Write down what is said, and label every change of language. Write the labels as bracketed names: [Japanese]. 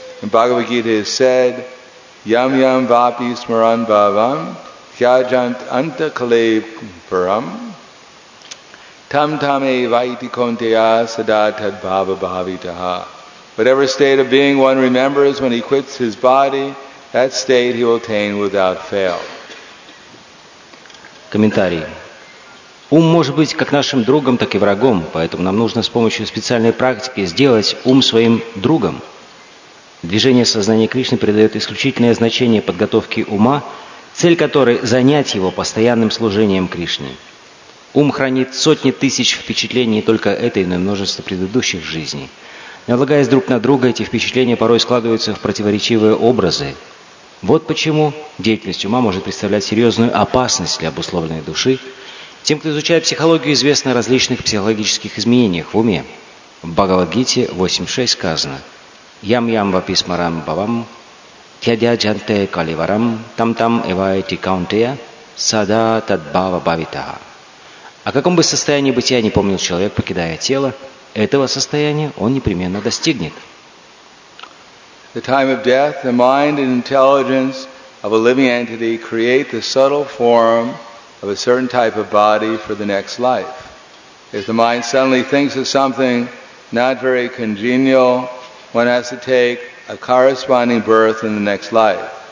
[English] In Bhagavad Gita is said, [Sanskrit] yam yam vapi smaran bhavam tyajant antakale param tam tame vaiti konteya sadatad bhava bhavitaha. [English] Whatever state of being one remembers when he quits his body, that state he will attain without fail. [Russian] Комментарий. Ум может быть как нашим другом, так и врагом, поэтому нам нужно с помощью специальной практики сделать ум своим другом. Движение сознания Кришны придает исключительное значение подготовке ума, цель которой – занять его постоянным служением Кришне. Ум хранит сотни тысяч впечатлений не только этой, но и множество предыдущих жизней. Налагаясь друг на друга, эти впечатления порой складываются в противоречивые образы. Вот почему деятельность ума может представлять серьезную опасность для обусловленной души. Тем, кто изучает психологию, известно о различных психологических изменениях в уме. В Бхагавад-гите 8.6 сказано: [Sanskrit] «Ям ям вапи смарам бавам, тядя джанте каливарам, там там эвайти каунтея, сада тад бава бавитаха». [Russian] О каком бы состоянии бытия не помнил человек, покидая тело, этого состояния он непременно достигнет. [English] The time of death, the mind and intelligence of a living entity create the subtle form of a certain type of body for the next life. If the mind suddenly thinks of something not very congenial, one has to take a corresponding birth in the next life.